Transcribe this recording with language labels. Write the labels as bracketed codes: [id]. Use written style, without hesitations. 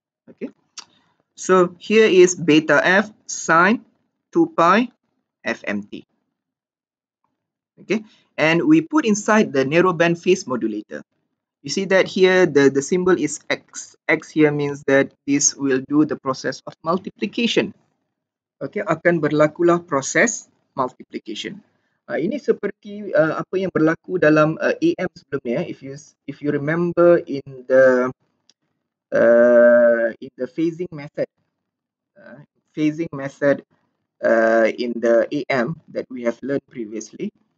[en] Okay, so here is beta F sine 2 pi FMT. Okay, and we put inside the narrowband phase modulator. You see that here the symbol is X. X here means that this will do the process of multiplication. [ms] Okay, akan berlakulah proses multiplication. Ini seperti apa yang berlaku dalam AM sebelumnya. [en] If you remember in the phasing method in the AM that we have learned previously.